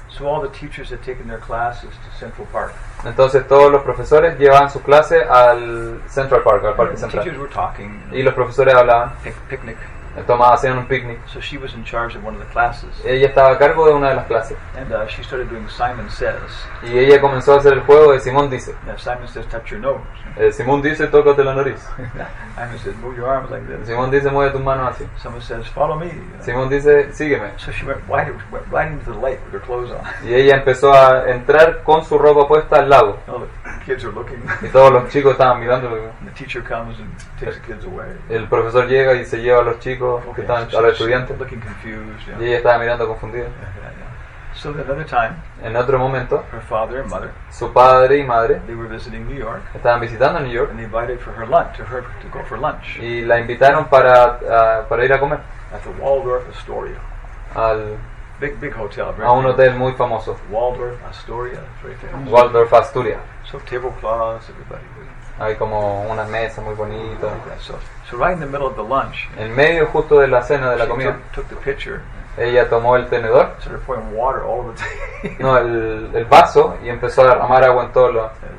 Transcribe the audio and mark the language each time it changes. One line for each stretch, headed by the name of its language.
English: So all the teachers had taken their classes to Central Park.
Spanish: Entonces todos los profesores llevaban sus clases al Central Park, al parque central.
English: Teachers were talking.
Spanish: Y los profesores hablaban.
English: Picnic.
Spanish: Tomaba, hacían un picnic.
English: So she was in charge of one of the classes.
Spanish: Ella estaba a cargo de una de las clases.
English: And she started doing Simon Says.
Spanish: Y ella comenzó a hacer el juego de Simón Dice.
English: Yeah, Simon Says, touch your nose.
Spanish: Simón Dice, tócate la nariz.
English: Simon says, move your arms like this.
Spanish: Simón Dice, mueve tus manos así.
English: Simon says, follow me.
Spanish: Simón Dice, sígueme.
English: So she went right into the lake with her clothes on.
Spanish: Y ella empezó a entrar con su ropa puesta al lago.
English: Kids are looking.
Spanish: Y todos los chicos estaban mirando.
English: The teacher comes and takes the kids away.
Spanish: El profesor llega y se lleva a los chicos que están, a los estudiantes.
English: Looking confused.
Spanish: Y ella estaba mirando confundida.
English: So another time.
Spanish: En otro momento.
English: Her father and mother.
Spanish: Su padre y madre.
English: They were visiting New York.
Spanish: Estaban visitando New York.
English: And they invited for her lunch, to her to go for lunch.
Spanish: Y la invitaron para ir a comer.
English: At the Waldorf Astoria.
Spanish: Al
English: Big hotel,
Spanish: a un hotel muy famoso.
English: Waldorf Astoria, very famous.
Spanish: Waldorf Astoria.
English: So tablecloths, everybody.
Spanish: Hay como una mesa muy bonita.
English: So right in the middle of the lunch.
Spanish: En medio justo de la cena de la comida.
English: Took the picture.
Spanish: Ella tomó el tenedor.
English: Started pouring water all over the table.
Spanish: No, el vaso y empezó a derramar agua en todo lo.